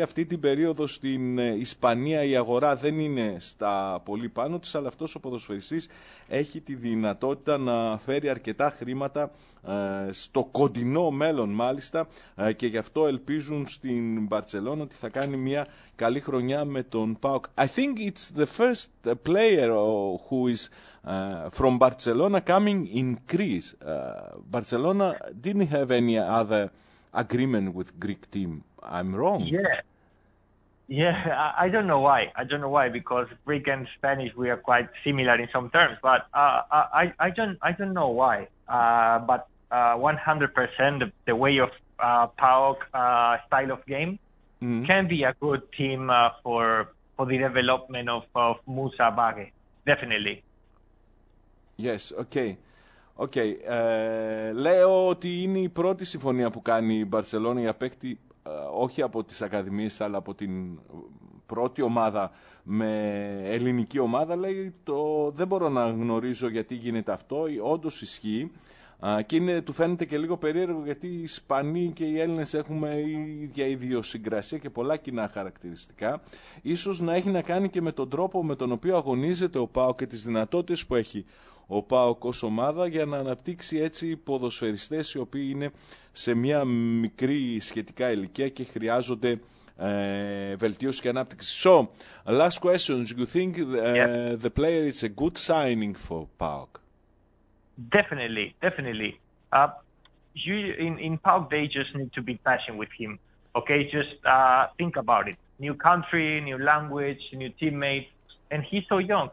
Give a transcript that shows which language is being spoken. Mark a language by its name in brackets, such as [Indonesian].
[Greek] Αυτή την περίοδο στην Ισπανία η αγορά δεν είναι στα πολύ πάνω της, αλλά αυτός ο ποδοσφαιριστής έχει τη δυνατότητα να φέρει αρκετά χρήματα στο κοντινό μέλλον μάλιστα, και γι' αυτό ελπίζουν στην Μπαρτσελόνα ότι θα κάνει μια καλή χρονιά με τον ΠΑΟΚ. [English] I think it's the first player who is from Barcelona coming in Greece. Barcelona didn't have any other agreement with Greek team. I'm wrong. Yeah. I don't know why, because Greek and Spanish, we are quite similar in some terms, but I don't know why. But 100% the way of PAOK style of game can be a good team for the development of Moussa Baghe, definitely. Yes, okay. Okay. [Greek] Λέω ότι είναι η πρώτη συμφωνία που κάνει η Μπαρτσελόνα για παίκτη, όχι από τις ακαδημίες αλλά από την πρώτη ομάδα με ελληνική ομάδα. Λέει, το δεν μπορώ να γνωρίζω γιατί γίνεται αυτό, όντως ισχύει. Και είναι, του φαίνεται και λίγο περίεργο γιατί οι Ισπανοί και οι Έλληνες έχουμε ίδια ιδιοσυγκρασία και πολλά κοινά χαρακτηριστικά. Ίσως να έχει να κάνει και με τον τρόπο με τον οποίο αγωνίζεται ο ΠΑΟ και τις δυνατότητες που έχει ο ΠΑΟΚ ως ομάδα για να αναπτύξει έτσι ποδοσφαιριστές οι οποίοι είναι σε μια μικρή σχετικά ηλικία και χρειάζονται βελτίωση και ανάπτυξη. [English] So, last question. Do you think the player is a good signing for ΠΑΟΚ? Definitely. In ΠΑΟΚ, they just need to be passionate with him. Okay, just think about it. New country, new language, new teammates. And he's so young.